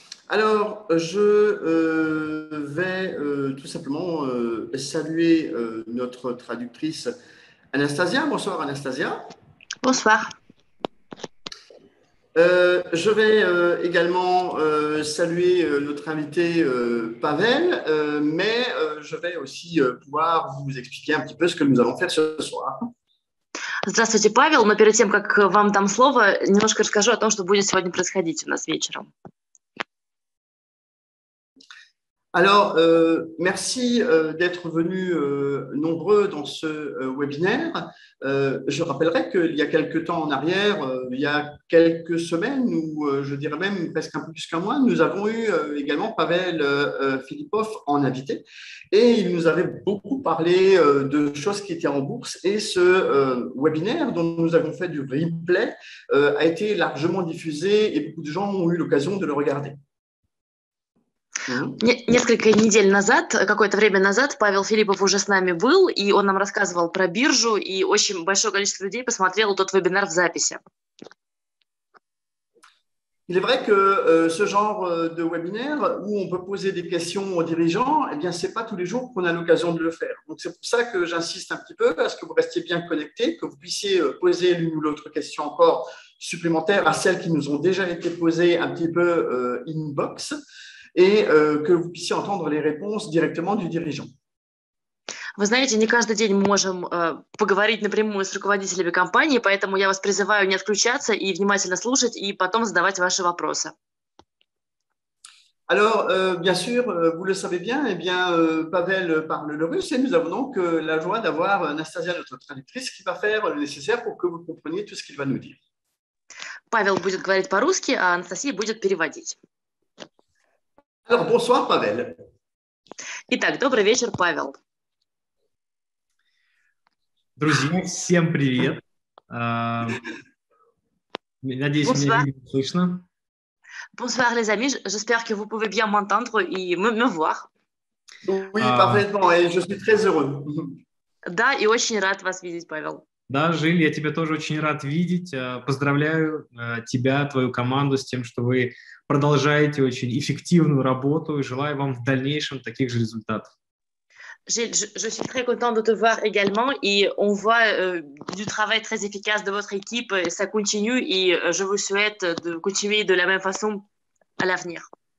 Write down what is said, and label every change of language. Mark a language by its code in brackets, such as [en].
[fr] Alors, je vais tout simplement saluer notre traductrice Anastasia. Bonsoir, Anastasia. Bonsoir. Je vais également saluer notre invité Pavel, mais je vais aussi pouvoir vous expliquer un petit peu ce que nous allons faire ce soir. [ru] Здравствуйте, Павел. Но перед тем, как вам дам слово, немножко расскажу о том, что будет сегодня происходить у нас вечером. [fr] Alors, merci d'être venus nombreux dans ce webinaire. Je rappellerai qu'il y a quelques temps en arrière, il y a quelques semaines, ou je dirais même presque un peu plus qu'un mois, nous avons eu également Pavel Filipov en invité. Et il nous avait beaucoup parlé de choses qui étaient en bourse. Et ce webinaire dont nous avons fait du replay a été largement diffusé et beaucoup de gens ont eu l'occasion de le regarder. [ru] Несколько недель назад, какое-то время назад, Павел Филиппов уже с нами был, и он нам рассказывал про биржу, и очень большое количество людей посмотрело тот вебинар в записи. [fr] Il est vrai que ce genre de webinaire où on peut poser des questions aux dirigeants, eh bien, ce n'est pas tous les jours qu'on a l'occasion de le faire. Donc, c'est pour ça que j'insiste un petit peu à ce que vous restiez bien connectés, que vous puissiez poser l'une ou l'autre question encore supplémentaire à celles qui nous ont déjà été posées un petit peu inbox et que vous puissiez entendre les réponses directement du dirigeant. [ru] Вы знаете, не каждый день мы можем поговорить напрямую с руководителями компании, поэтому я вас призываю не отключаться и внимательно слушать, и потом задавать ваши вопросы. [fr] Alors, bien sûr, vous le savez bien, eh bien, Pavel parle le russe et nous avons donc la joie d'avoir Anastasia, notre traductrice, qui va faire le nécessaire pour que vous compreniez tout ce qu'il va nous dire. [ru] Павел будет говорить по-русски, а Анастасия будет переводить. [fr] Alors, bonsoir, Pavel. [ru] Итак, добрый вечер, Павел. Друзья, всем привет. Надеюсь, меня [fr] Bonsoir. [ru] слышно. [fr] Bonsoir, les amis. J'espère que vous pouvez bien m'entendre et me voir. Oui, parfaitement. Et je suis très heureux. [ru] Да, и очень рад вас видеть, Павел. Да, Жиль, я тебя тоже очень рад видеть. Поздравляю тебя, твою команду с тем, что вы продолжаете очень эффективную работу и желаю вам в дальнейшем таких же результатов. [fr] Je suis très contente de te voir également et on voit du travail très efficace de votre équipe et ça continue et je vous souhaite de continuer de la même façon à l'avenir.